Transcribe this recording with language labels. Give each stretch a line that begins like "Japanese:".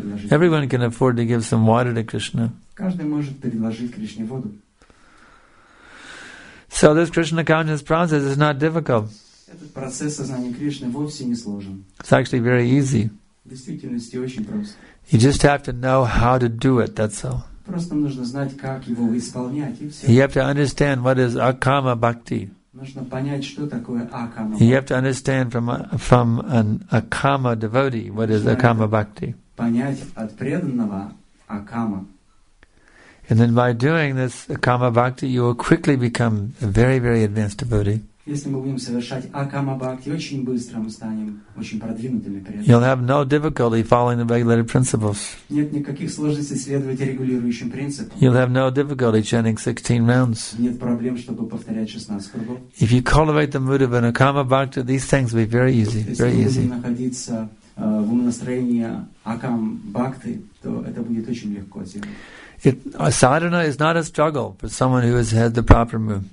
English: Everyone can afford to give some water to Krishna. So this Krishna consciousness process is not difficult. It's actually very easy. You just have to know how to do it, that's all.
Russian: Просто нужно знать, как его исполнять, и все.
English: You have to understand what is akama bhakti.
Russian: Нужно понять, что такое akama.
English: You have to understand from an akama devotee what is akama bhakti.
Russian: Понять от преданного akama.
English: And then by doing this akama bhakti, you will quickly become a very, very advanced devotee.
Russian: Если мы будем совершать akama bhakti, очень быстро мы станем очень продвинутыми преданными.
English: You'll have no difficulty following the regulated principles.
Russian: Нет никаких сложностей следовать регулирующим принципам.
English: You'll have no difficulty chanting 16 rounds.
Russian: Нет проблем, чтобы повторять 16 кругов.
English: If you cultivate the mood of an akama bhakti, these things will be very easy, very easy.
Russian: Если мы будем находиться в умонастроении akama bhakti, то это будет очень легко делать.
English: Sadhana is not a struggle for someone who has had the proper mood.